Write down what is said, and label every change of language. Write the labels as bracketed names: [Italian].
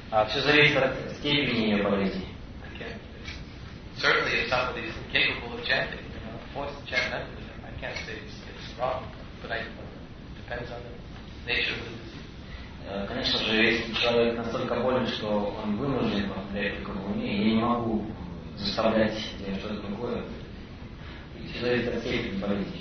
[Russian] Все зависит от степени ее болезни. [English] Okay. Certainly, if somebody is incapable of chanting, forced to chant mentally, I can't say it's wrong, but it depends on the nature of the disease. [Russian] конечно же, если человек настолько болен, что он вынужден повторять только в уме, я не могу заставлять делать что-то другое. И человек это степень болезни